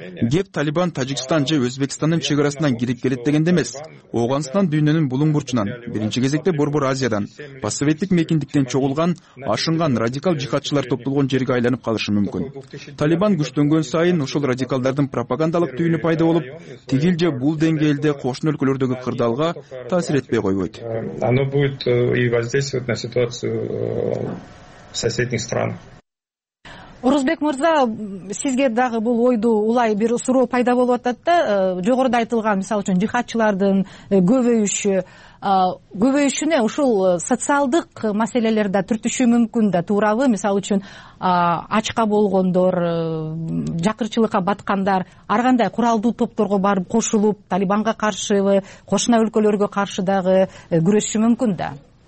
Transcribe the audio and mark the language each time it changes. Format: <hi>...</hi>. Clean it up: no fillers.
<ky>Кеп Талибан Тажикстан же Өзбекстандын чек арасынан кирип келет дегенде эмес, Ооганстан дүйнөнүн булуң бурчунан, биринчи кезекте Борбор Азиядан, постсоветтик мекиндиктен чогулган, ашынган радикал жихатчылар топтолгон жерге айланып калышы мүмкүн. Талибан күчтөнгөн сайын ушул радикалдардын пропагандалык түйүнү пайда болуп, тигил же бул деңгээлде кошуна өлкөлөрдөгү кырдаалга таасир этпей койбойт.</ky> <ru>Оно будет и воздействовать на ситуацию соседних стран.</ru> <ky>Орозбек мырза, сизге дагы бул ойду улай бир суроо пайда болуп атат да, жогоруда айтылган, мисалы үчүн, жихатчылардын көбөйүшү, көбөйүшүнө ушул социалдык маселелер да түртүшү мүмкүн да, туурабы? Мисалы үчүн, ачка болгондор, жакырчылыкка баткандар, ар кандай куралдуу топторго барып кошулуп, Талибанга каршыбы, кошуна өлкөлөргө каршы дагы күрөшүшү мүмкүн да?</ky>